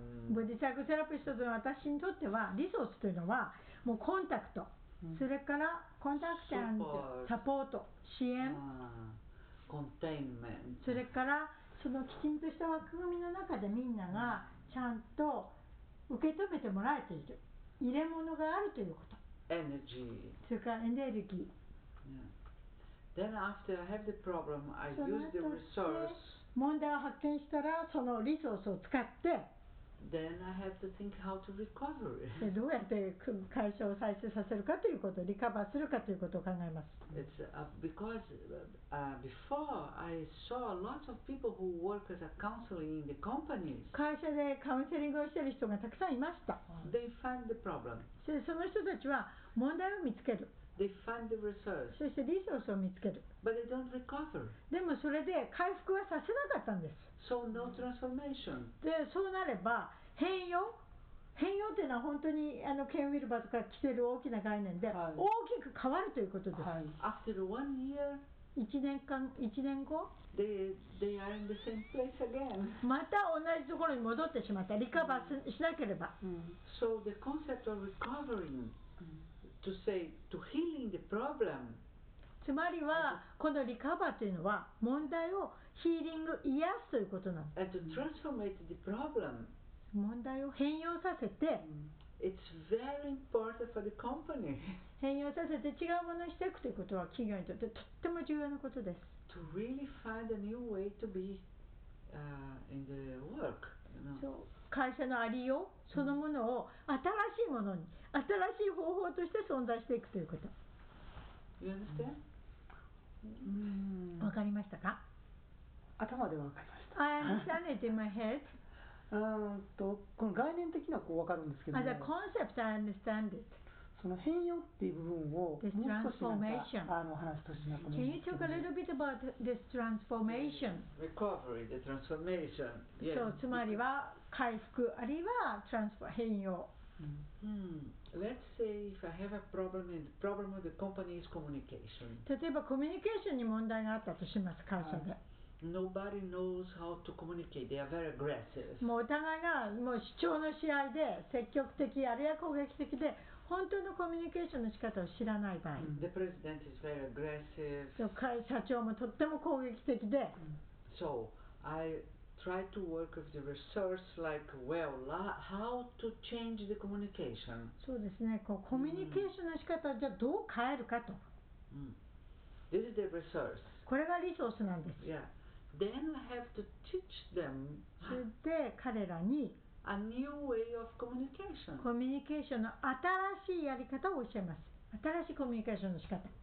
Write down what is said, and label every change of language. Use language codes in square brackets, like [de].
[ja] ボディサイコセラピストの私にとってはリソースというのはもうコンタクト、それからコンタクション、サポート、支援、コンテインメント、それからそのきちんとした枠組みの中でみんながちゃんと受け止めてもらえている、入れ物があるということ。 [en] Energy. [ja] それからエネルギー。 [en] Then after I have the problem, I use the resource. [ja] 問題を発見したらそのリソースを使って。 [en] Then I have to think how to recover it. [ja] どうやって会社を再生させるかということ、リカバーするかということを考えます。 [en] It's because before I saw lots of people who work as a counseling in the companies. [ja] 会社でカウンセリングをしている人がたくさんいました。 [en] They find the problem. [ja] その人たちは問題を見つける。 [en] They find the resource. [ja] そしてリソースを見つける。 [en] But they don't recover. [ja] でもそれで回復はさせなかったんです。 [en] So no transformation. [ja] でそうなれば変容、変容というのは本当にあのケン・ウィルバーとか来ている大きな概念で、大きく変わるということです。 [en] After one year, [ja] 1年後、 [en] they are in the same place again. [ja] また同じところに戻ってしまった。リカバーしなければ。 [en] So the concept of recovering. To say, to healing the problem. [ja] つまりはこのリカバーというのは問題をヒーリング癒すということなんです。 [en] And to transformate the problem. [ja] 問題を変容させて、 [en] It's very important for the company. [ja] 変容させて違うものにしていくということは企業にとってとっても重要なことです。 [en] To really find a new way to be, in the work. [ja] そう、会社のありようそのものを新しいものに、新しい方法として存在していくということ。 [en] You understand? [ja] わかりましたか？頭ではわかりました。 [en] I understand it in my head. [ja] この概念的にはこうわかるんですけども [en] 。As a concept, I understand it. [ja] その変容っていう部分をもう少しなんか話してほしいなと思います。 [en] Can you talk a little bit about this transformation? Recovery, the transformation. Yes. [ja] そう、つまりは回復あるいは変容。 [en] Let's say if I have a problem and the problem of the company is communication. [ja] 例えばコミュニケーションに問題があったとします、会社で。 [en] Nobody knows how to communicate. They are very aggressive. [ja] もうお互いがもう主張の試合で積極的あるいは攻撃的で本当のコミュニケーションの仕方を知らない場合。 [en] The president is very aggressive. [ja] 社長もとっても攻撃的で。 [en] So I try to work with the resource like well, how to change the communication. [ja] そうですね。こうコミュニケーションの仕方をじゃあどう変えるかと。 [en] This is the resource. [ja] これがリソースなんです。 [en] Yeah. Then I have to teach them. [ja] それで彼らに。 [en] A new way of communication. [ja] コミュニケーションの新しいやり方を教えます。新しいコミュニケーションの仕方。